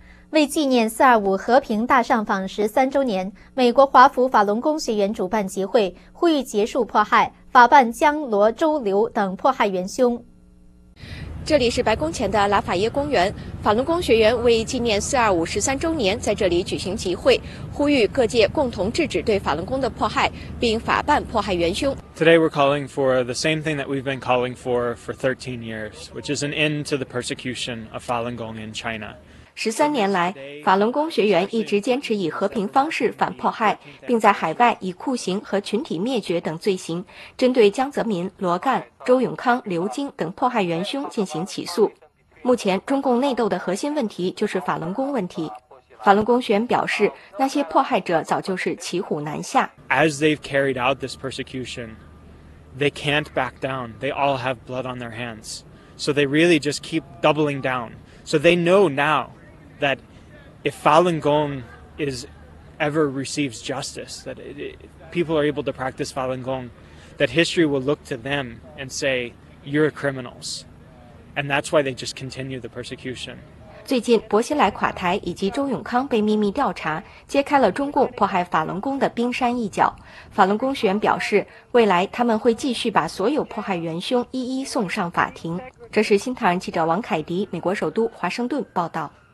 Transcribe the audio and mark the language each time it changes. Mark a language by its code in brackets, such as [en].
[zh] 为纪念425和平大上访13周年，美国华府法轮功学员主办集会呼吁结束迫害，法办江、罗、周、刘等迫害元凶。这里是白宫前的拉法耶公园，法轮功学员为纪念42513周年在这里举行集会，呼吁各界共同制止对法轮功的迫害，并法办迫害元凶。 [en] Today we're calling for the same thing that we've been calling for 13 years, which is an end to the persecution of Falun Gong in China. [zh] 13年来，法轮功学员一直坚持以和平方式反迫害，并在海外以酷刑和群体灭绝等罪行，针对江泽民、罗干、周永康、刘晶等迫害元凶进行起诉。目前，中共内斗的核心问题就是法轮功问题。法轮功学员表示，那些迫害者早就是骑虎难下。 [en] As they've carried out this persecution, they can't back down. They all have blood on their hands. So they really just keep doubling down. So they know now that if Falun Gong is ever receives justice, that people are able to practice Falun Gong, that history will look to them and say, you're criminals. And that's why they just continue the persecution. [zh] 最近薄熙来垮台以及周永康被秘密调查，揭开了中共迫害法轮功的冰山一角。法轮功学员表示，未来他们会继续把所有迫害元凶一一送上法庭。这是新唐人记者王凯迪，美国首都华盛顿报道。